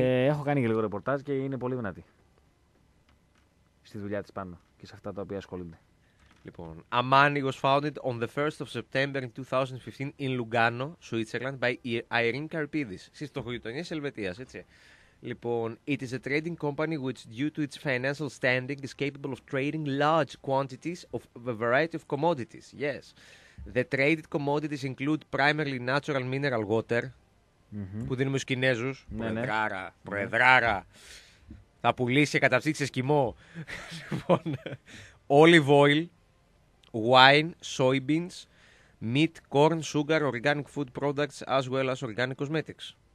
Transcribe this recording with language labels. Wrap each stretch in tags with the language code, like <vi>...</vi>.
<el>Έχω κάνει και λίγο ρεπορτάζ και είναι πολύ δυνατή. Στη δουλειά τη πάνω και σε αυτά τα οποία ασχολείται. Λοιπόν,</el> <en>Amani was founded on the 1st of September 2015 in Lugano, Switzerland, by Irene Karypidis. She's</en> <el>το γειτονιές Ελβετίας, έτσι. Λοιπόν,</el> <en>it is a trading company which, due to its financial standing, is capable of trading large quantities of a variety of commodities. Yes. The traded commodities include primarily natural mineral water, mm-hmm.</en> <el>που δίνουμε στους Κινέζους. Ναι, προεδράρα, ναι. Προεδράρα. Ναι. Θα πουλήσει και καταψύξει εσκιμό. Λοιπόν,</el> <en>olive oil, wine, soybeans, meat, corn, sugar, organic food products, as well as organic cosmetics.</en>